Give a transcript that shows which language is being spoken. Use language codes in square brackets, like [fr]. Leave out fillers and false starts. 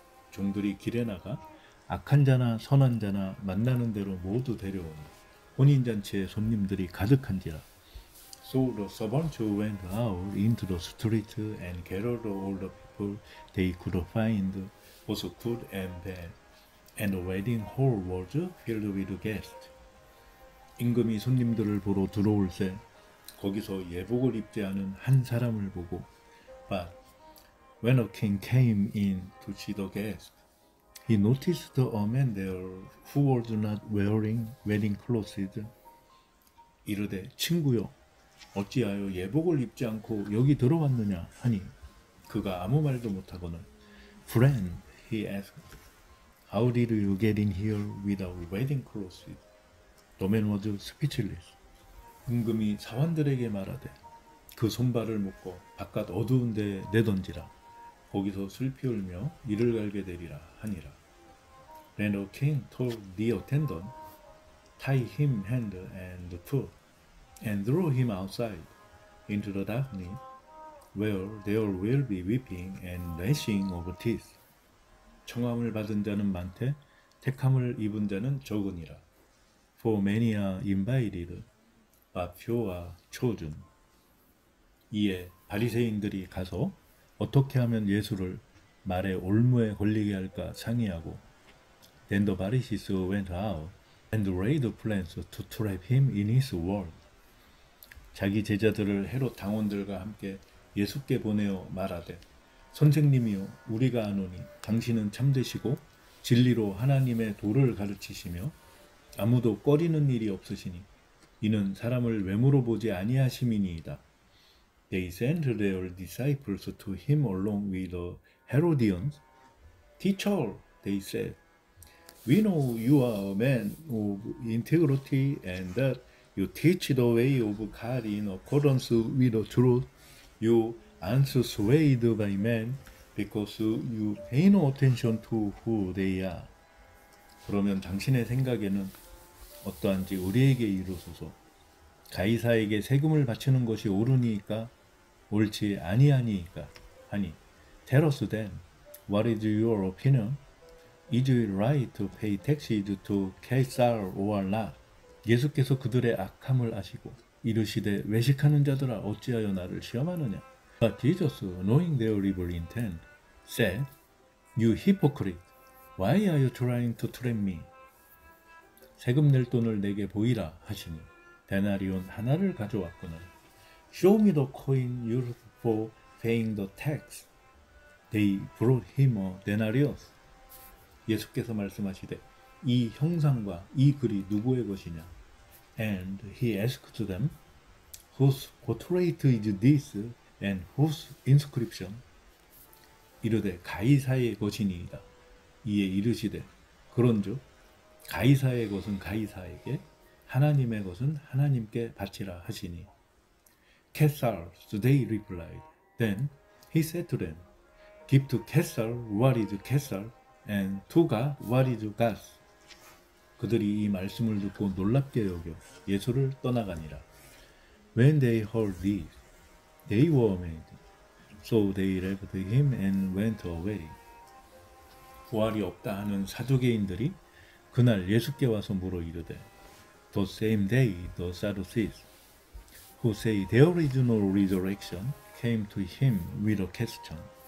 [ko] 종들이 길에 나가 악한 자나 선한 자나 만나는 대로 모두 데려오니, 혼인잔치에 손님들이 가득한지라. [en] So the servants went out into the street and gathered all the people they could find, both good and bad, and the wedding hall was filled with guests. [ko] 임금이 손님들을 보러 들어올 때 거기서 예복을 입지 않은 한 사람을 보고, [en] But when a king came in to see the guests, he noticed a man there who was not wearing wedding clothes. [ko] 이르되, 친구여, 어찌하여 예복을 입지 않고 여기 들어왔느냐 하니, 그가 아무 말도 못하거늘, [en] Friend, he asked, How did you get in here without wedding clothes? The man was speechless. [ko] 임금이 사환들에게 말하되, 그 손발을 묶어 바깥 어두운 데 내던지라. 거기서 슬피 울며 이를 갈게 되리라 하니라. [en] Then the king told the attendant, Tie him hand and foot. And throw him outside into the darkness, where there will be weeping and gnashing of teeth. [ko] 청함을 받은 자는 많되 택함을 입은 자는 적으니라. [en] For many are invited, but few are chosen. [ko] 이에 바리새인들이 가서 어떻게 하면 예수를 말의 올무에 걸리게 할까 상의하고, [en] Then the Pharisees went out and laid plans to trap him in his word. [ko] 자기 제자들을 헤롯 당원들과 함께 예수께 보내어 말하되, 선생님이요, 우리가 아노니 당신은 참되시고 진리로 하나님의 도를 가르치시며 아무도 꺼리는 일이 없으시니, 이는 사람을 외모로 보지 아니하심이니이다. [en] They sent their disciples to him along with the Herodians. Teacher, they said, We know you are a man of integrity and that You teach the way of God in accordance with the truth. You aren't swayed by men because you pay no attention to who they are. [ko] 그러면 당신의 생각에는 어떠한지 우리에게 이르소서. 가이사에게 세금을 바치는 것이 옳으니까 옳지 아니하니까 하니, [en] Tell us then, what is your opinion? Is it right to pay taxes to Caesar or not? [ko] 예수께서 그들의 악함을 아시고 이르시되 외식하는 자들아 어찌하여 나를 시험하느냐? [en] But Jesus, knowing their evil intent, said, You hypocrite, why are you trying to trap me? [ko] 세금 낼 돈을 내게 보이라 하시니 데나리온 하나를 가져왔거늘 [en] Show me the coin used for paying the tax. They brought him a denarius. [ko] 예수께서 말씀하시되 이 형상과 이 글이 누구의 것이냐? [en] And he asked them, Whose portrait is this and whose inscription? [ko] 이르되 가이사의 것이니이다. 이에 이르시되 그런즉 가이사의 것은 가이사에게 하나님의 것은 하나님께 바치라 하시니 [en] Caesar's, they replied. Then he said to them, Give to Caesar what is Caesar, and to God what is God's. [ko] 그들이 이 말씀을 듣고 놀랍게 여겨 예수를 떠나가니라. [en] When they heard this, they were amazed. So they left him and went away. [ko] 부활이 없다 하는 사두개인들이 그날 예수께 와서 물어 이르되, [en] The same day the Sadducees, who say there is no resurrection, came to him with a question.